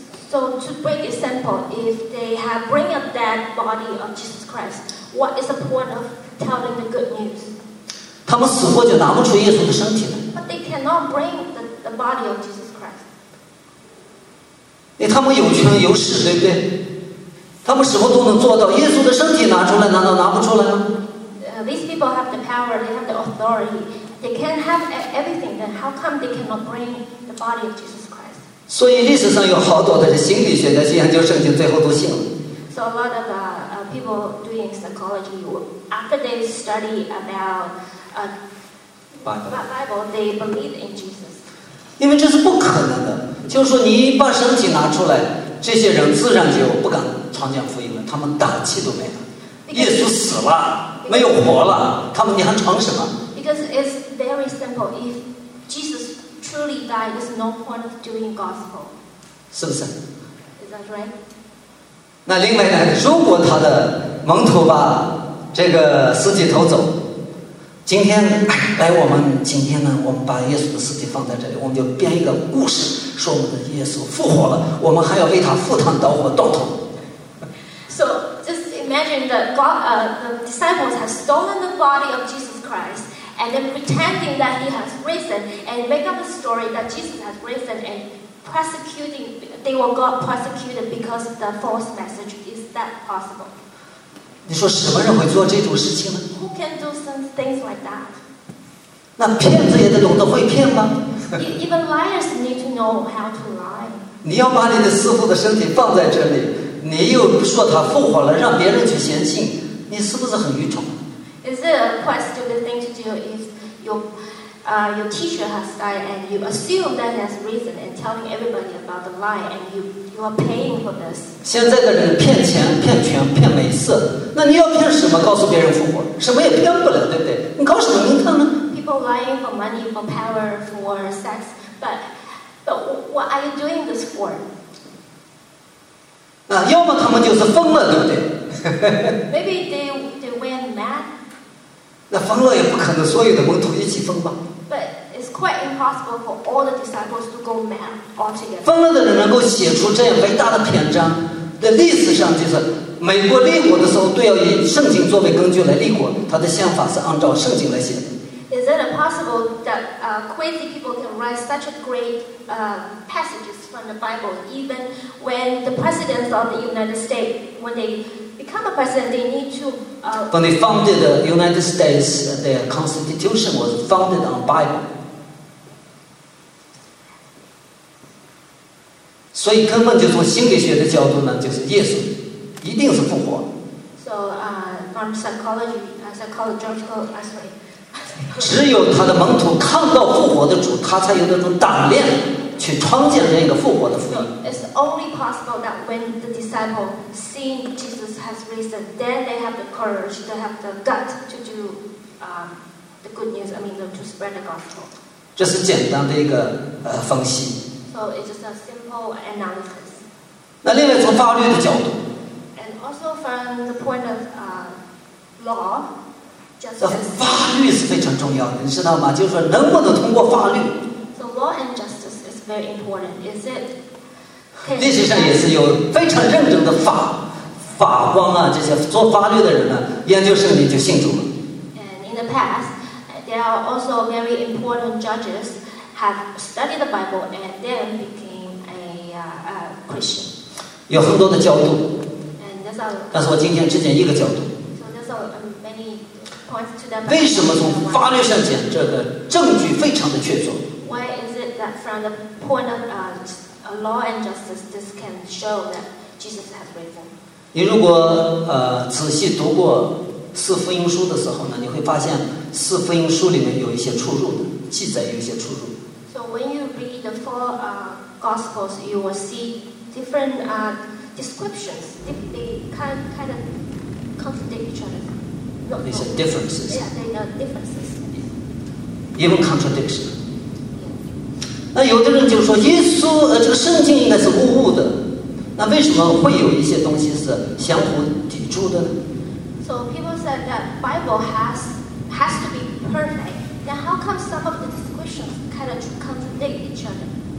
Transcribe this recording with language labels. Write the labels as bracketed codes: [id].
[en] So to break it simple, if they have bring a dead body of Jesus Christ, what is the point of telling the good news? [zh] 他们死活就拿不出耶稣的身体来。 [en] But they cannot bring the body of Jesus Christ. [zh] 因为他们有权有势，对不对？他们什么都能做到，耶稣的身体拿出来，难道拿不出来吗？ [en] These people have the power, they have the authority. They can have everything, then how come they cannot bring the body of Jesus? [zh] 所以历史上有好多的心理学家去研究圣经，最后都信了。 [en] So a lot of people doing psychology after they study about Bible, they believe in Jesus. [zh] 因为这是不可能的，就是说你把身体拿出来，这些人自然就不敢传讲福音了，他们胆气都没了。 [en] Because, [zh] 耶稣死了， [en] because, [zh] 没有活了，他们你还传什么 [en] ？Because it's very simple. If Jesus truly died, there's no point of doing gospel. [zh] 是不是？ [en] Is that right? [zh] 那另外呢，如果他的门徒把这个尸体偷走，今天来我们今天呢，我们把耶稣的尸体放在这里，我们就编一个故事，说我们的耶稣复活了，我们还要为他赴汤蹈火断头。 [en] So just imagine that the disciples have stolen the body of Jesus Christ. And then pretending that he has risen, and make up a story that Jesus has risen, and persecuting, they will get persecuted because of the false message. Is that possible? [zh] 你说什么人会做这种事情呢？ [en] Who can do some things like that? [zh] 那骗子也得懂得会骗吗？ [en] Even liars need to know how to lie. [zh] 你要把你的师父的身体放在这里，你又说他复活了，让别人去相信，你是不是很愚蠢？ [en] Is it a quite stupid thing to do if your teacher has died and you assume that he has risen and telling everybody about the lie and you are paying for this? [zh] 现在的人骗钱、骗权、骗美色，那你要骗什么？告诉别人复活，什么也骗不了，对不对？你搞什么名堂呢 [en] ？People lying for money, for power, for sex, but what are you doing this for? [zh] 那要么他们就是疯了，对不对 [en] ？Maybe they went mad. [zh] 那疯了也不可能所有的门徒一起疯吧。 [en] But it's quite impossible for all the disciples to go mad altogether. [zh] 疯了的人能够写出这样伟大的篇章，在历史上就是美国立国的时候，都要以圣经作为根据来立国，他的宪法是按照圣经来写的。 [en] They Is it possible that crazy people can write such a great passages from the Bible, even when the presidents of the United States, when they become a president, they need to... When they founded the United States, their constitution was founded on the Bible. [zh] 所以根本就从心理学的角度呢，就是耶稣一定是复活。 [en] So, from psychological aspect, [zh] 只有他的门徒看到复活的主，他才有那种胆量去创建这个复活的福音。 [en] It's only possible that when the disciple seen Jesus has risen, then they have the courage, they have the gut to do, the good news. I mean, to spread the gospel. [zh] 这是简单的一个分析。 [en] So it's just a simple analysis. [zh] 那另外从法律的角度 [en] ，and also from the point of law, justice. [zh] 法律是非常重要的，你知道吗？就是说能不能通过法律 [en] ？So law and justice is very important, is it? [zh] 历史上也是有非常认真的法官啊，这些做法律的人呢，研究圣经就信主了。 [en] And in the past, there are also very important judges. Have studied the Bible and then became a Christian. [zh] 有很多的角度。 [en] And that's all. [zh] 但是我今天只讲一个角度。 [en] So that's many points to that. [zh] 为什么从法律上讲这个证据非常的确凿 [en] ？Why is it that from the point of law and justice, this can show that Jesus has risen? [zh] 你如果仔细读过四福音书的时候呢，你会发现四福音书里面有一些出入的。记载有一些出入。 [en] So when you read the four gospels, you will see different descriptions. They kind of contradict each other. These are differences. Yeah, they are differences. Even contradiction. [zh] 那有的人就说耶稣这个圣经应该是无误的，那为什么会有一些东西是相互抵触的呢 [en] ？So people said that Bible has to be perfect. Then how come some of the descriptions kind of contradict each other?